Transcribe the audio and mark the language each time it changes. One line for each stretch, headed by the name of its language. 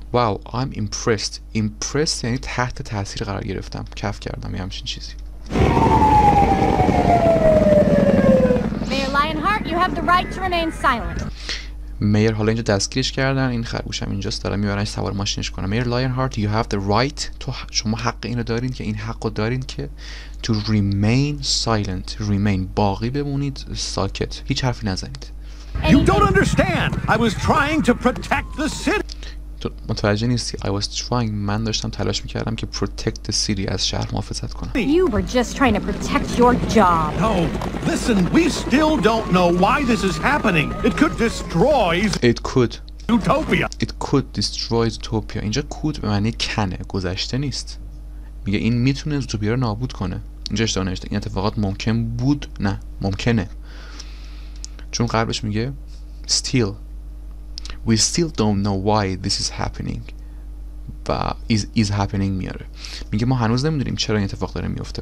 English: Wow, I'm impressed.
Persian: Impressed یعنی تحت تاثیر قرار گرفتم. کف کردم یه همچین چیزی.
English: Mayor Lionheart, you have the right to remain silent.
Persian: میر حالا اینجا دستگیرش کردن، این خرگوشم اینجاست، دارم میبرنش سوار ماشینش کنم. میر لاین هارت،
English: you have the right،
Persian: تو شما حق اینو دارین که این حقو دارین که
English: to remain silent،
Persian: remain باقی بمونید ساکت، هیچ حرفی نزنید.
English: You don't understand. I was trying to protect the city.
Persian: تو متوجه نیستی.
English: I was trying،
Persian: من داشتم تلاش میکردم که
English: protect the city،
Persian: از شهر محافظت کنم.
English: You were just trying to protect your job. No, listen, we still don't know why this is happening. It could destroy. It could. Zootopia. It could destroy Zootopia.
Persian: اینجا could به معنی کنه، گذشته نیست. میگه این میتونه Zootopia رو نابود کنه. اینجا اشتباه نوشته. این اتفاقات ممکن بود، نه ممکنه. چون قبلش میگه still.
English: We still don't know why this is happening.
Persian: و is happening میاره. میگه ما هنوز نمیدونیم چرا این اتفاق داره میفته.